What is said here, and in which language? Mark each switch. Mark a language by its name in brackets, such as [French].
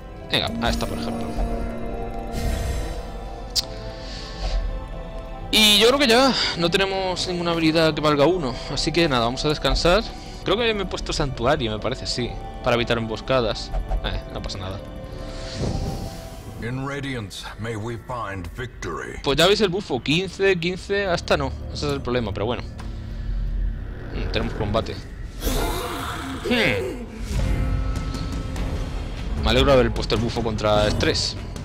[Spanish] Venga, a esta, por ejemplo. Y yo creo que ya no tenemos ninguna habilidad que valga uno. Así que nada, vamos a descansar. Creo que me he puesto santuario, me parece, sí. Para evitar emboscadas. No pasa nada. [English] In Radiance, may we find victory. [Spanish] Pues ya veis el buffo, 15, 15, hasta no. Ese es el problema, pero bueno. Tenemos combate. Me alegro de haber puesto el buffo contra estrés.